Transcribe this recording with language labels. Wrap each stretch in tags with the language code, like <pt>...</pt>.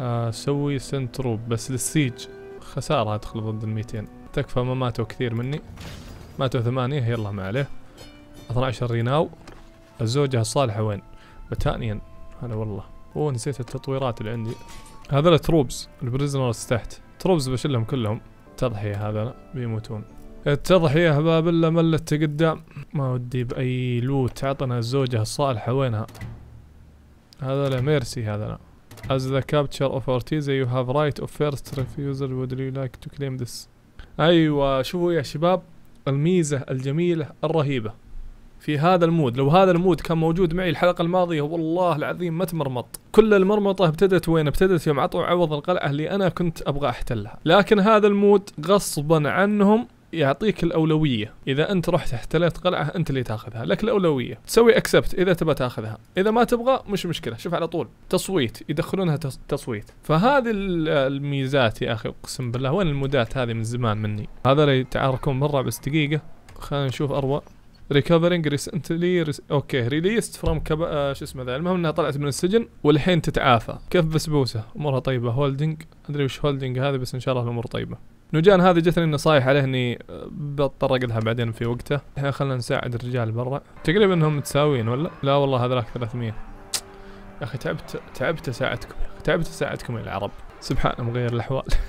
<ar>سوي سنترو بس للسيج خسارة ادخل ضد الميتين تكفى ما ماتوا كثير مني ماتوا 8 يلا ما عليه 12 ريناو الزوجة الصالحة وين بتانيا هلا والله اوه نسيت التطويرات اللي عندي هذا التروبز البريزنرز تحت تروبز بشلهم كلهم تضحية هذا بيموتون التضحية باب الا ملت قدام ما ودي باي لوت عطنا الزوجة الصالحة وينها هذا لا ميرسي هذا لا.</ar> <en>As the capture of Ortiz, you have right of first refusal. Would you like to claim this?</en> <ar>أيوة شوفوا يا شباب الميزة الجميلة الرهيبة في هذا المود. لو هذا المود كان موجود معي الحلقة الماضية والله العظيم ما تمرمط. كل المرمطة ابتدت وين؟ ابتدت يوم عطوا عوض القلعة اللي أنا كنت أبغى أحتلها. لكن هذا المود غصبا عنهم يعطيك الأولوية. إذا أنت رحت احتلت قلعة أنت اللي تأخذها، لك الأولوية تسوي أكسبت إذا تبى تأخذها، إذا ما تبغى مش مشكلة. شوف على طول تصويت يدخلونها تصويت. فهذه الميزات يا أخي أقسم بالله وين المودات هذه من زمان مني. هذا اللي تعاركون مرة بس دقيقة خلينا نشوف أروى.</ar> <en>Recovering recently okay released from</en> <ar>شو اسمه ذا. المهم انها طلعت من السجن والحين تتعافى. كيف بسبوسة امورها طيبة. holding ادري وش holding هذه بس ان شاء الله الامور طيبة. نجان هذه جتني النصايح عليه اني بتطرق لها بعدين في وقته. الحين خلنا نساعد الرجال برا تقريبا انهم متساوين ولا لا. والله هذاك 300 يا اخي تعبت اساعدكم يا اخي تعبت اساعدكم يا العرب سبحان مغير الاحوال.</ar>